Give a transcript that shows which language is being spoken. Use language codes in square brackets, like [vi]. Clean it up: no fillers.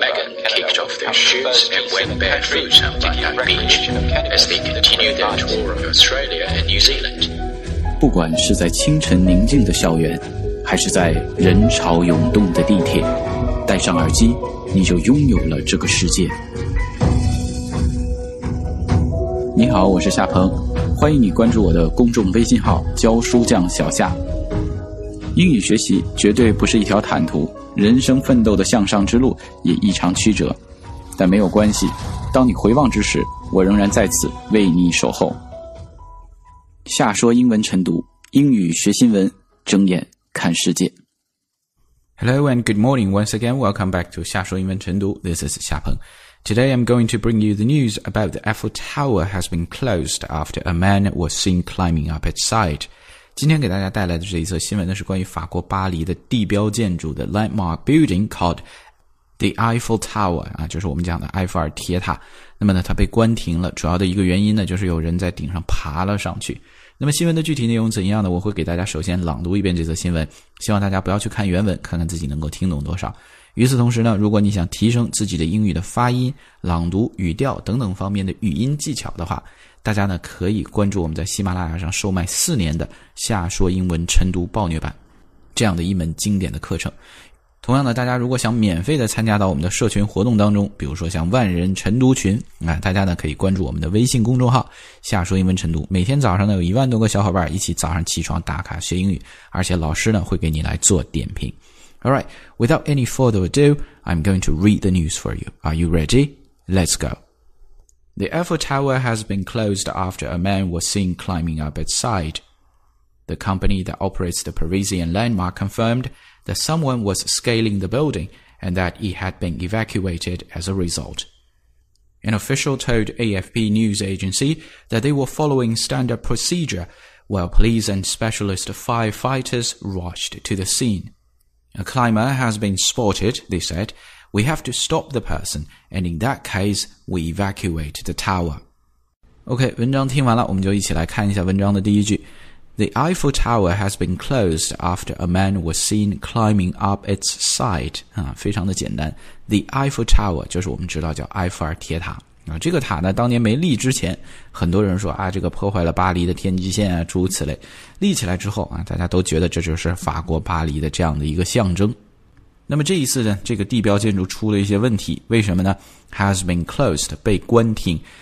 [en] Megan kicked off their shoots and went barefoot on Bondi Beach as they continued their tour of Australia and New Zealand. [zh] 不管是在清晨宁静的校园，还是在人潮涌动的地铁，戴上耳机，你就拥有了这个世界。你好，我是夏鹏，欢迎你关注我的公众微信号教书匠小夏。英语学习绝对不是一条坦途，人生奋斗的向上之路也异常曲折，但没有关系，当你回望之时，我仍然在此为你守候。夏说英文晨读，英语学新闻，睁眼看世界。 [en] Hello and good morning once again. Welcome back to 夏说英文晨读。This is 夏鹏。 Today I'm going to bring you the news about the Eiffel Tower has been closed after a man was seen climbing up its side. [zh] 今天给大家带来的这一则新闻呢，是关于法国巴黎的地标建筑的 [en] landmark building called the Eiffel Tower [zh] 啊，就是我们讲的埃菲尔铁塔。那么呢，它被关停了，主要的一个原因呢，就是有人在顶上爬了上去。那么新闻的具体内容怎样呢？我会给大家首先朗读一遍这则新闻，希望大家不要去看原文，看看自己能够听懂多少。与此同时呢，如果你想提升自己的英语的发音、朗读、语调等等方面的语音技巧的话，大家呢可以关注我们在喜马拉雅上售卖四年的夏说英文晨读暴虐版这样的一门经典的课程。同样的，大家如果想免费的参加到我们的社群活动当中，比如说像万人晨读群，大家呢可以关注我们的微信公众号夏说英文晨读，每天早上呢有10000多个小伙伴一起早上起床打卡学英语，而且老师呢会给你来做点评。 [en] Alright, without any further ado, I'm going to read the news for you. Are you ready? Let's go. The Eiffel Tower has been closed after a man was seen climbing up its side. The company that operates the Parisian landmark confirmed that someone was scaling the building and that he had been evacuated as a result. An official told AFP news agency that they were following standard procedure while police and specialist firefighters rushed to the scene. A climber has been spotted, they said. We have to stop the person, and in that case, we evacuate the tower. [zh] OK, 文章听完了，我们就一起来看一下文章的第一句。 [en] The Eiffel Tower has been closed after a man was seen climbing up its side. [zh] 啊，非常的简单。The Eiffel Tower 就是我们知道叫埃菲尔铁塔。啊，这个塔呢，当年没立之前，很多人说啊，这个破坏了巴黎的天际线啊，诸如此类。立起来之后啊，大家都觉得这就是法国巴黎的这样的一个象征。那么这一次呢，这个地标建筑出了一些问题，为什么呢 ？ [en] Has been closed， [zh] 被关停。